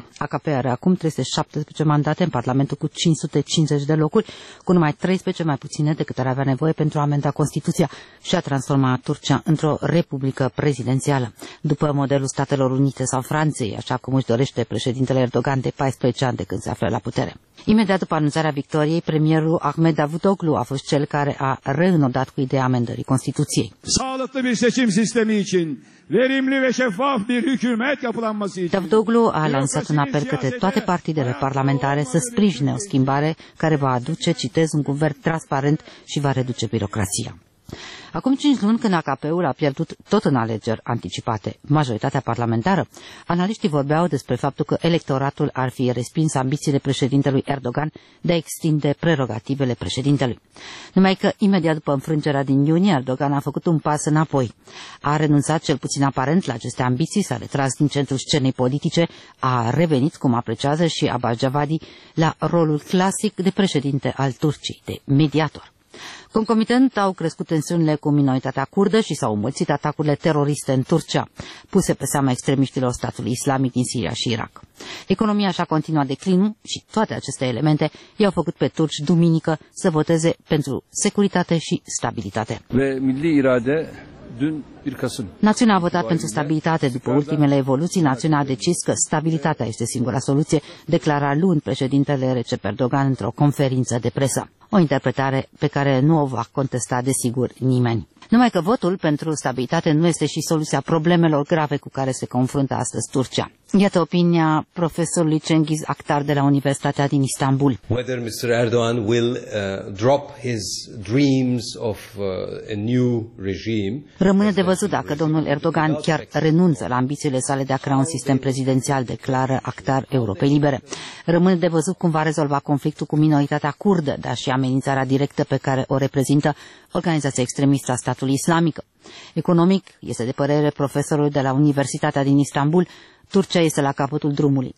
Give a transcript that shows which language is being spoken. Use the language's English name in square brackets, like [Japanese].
[Romanian] AKP are acum 317 mandate în Parlamentul cu 550 de locuri, cu numai 13 mai puține decât ar avea nevoie pentru a amenda Constituția și a transforma Turcia într-o republică prezidențială, după modelul Statelor Unite sau Franței, așa cum își dorește președintele Erdogan de 14 de când se află la putere. Imediat după anunțarea victoriei, premierul Ahmet Davutoglu a fost cel care a reînodat cu ideea amendării Constituției. [Turkish] Sağlıklı bir seçim sistemi için, verimli ve şeffaf bir hükümet yapılanması için. [Romanian] Davutoglu a lansat un apel către toate partidele parlamentare să sprijine o schimbare care va aduce, citez, un guvern transparent și va reduce birocrația. Acum 5 luni, când AKP-ul a pierdut tot în alegeri anticipate majoritatea parlamentară, analiștii vorbeau despre faptul că electoratul ar fi respins ambițiile președintelui Erdogan de a extinde prerogativele președintelui. Numai că imediat după înfrângerea din iunie, Erdogan a făcut un pas înapoi. A renunțat cel puțin aparent la aceste ambiții, s-a retras din centrul scenei politice, a revenit, cum apreciază și Abbas Javadi, la rolul clasic de președinte al Turciei, de mediator. Concomitent au crescut tensiunile cu minoritatea kurdă și s-au înmulțit atacurile teroriste în Turcia, puse pe seama extremiștilor statului islamic din Siria și Irak. Economia și-a continuat declinul și toate aceste elemente i-au făcut pe turci duminică să voteze pentru securitate și stabilitate. [Turkish] Ve milli irade dün bir Kasım. [Romanian] Națiunea a votat pentru stabilitate. După ultimele evoluții, națiunea a decis că stabilitatea este singura soluție, declara luni președintele Recep Erdogan într-o conferință de presă. O interpretare pe care nu o va contesta, desigur, nimeni. Numai că votul pentru stabilitate nu este și soluția problemelor grave cu care se confruntă astăzi Turcia. Iată opinia profesorului Cengiz Aktar de la Universitatea din Istanbul. [English] Whether Mr. Erdogan will drop his dreams of a new regime. [Romanian] Rămâne de văzut dacă domnul Erdogan chiar renunță la ambițiile sale de a crea un sistem prezidențial, declară Aktar Europei Libere. Rămâne de văzut cum va rezolva conflictul cu minoritatea kurdă, dar și amenințarea directă pe care o reprezintă organizația extremistă a statului islamic. Economic, este de părere profesorul de la Universitatea din Istanbul, Turcia este la capătul drumului.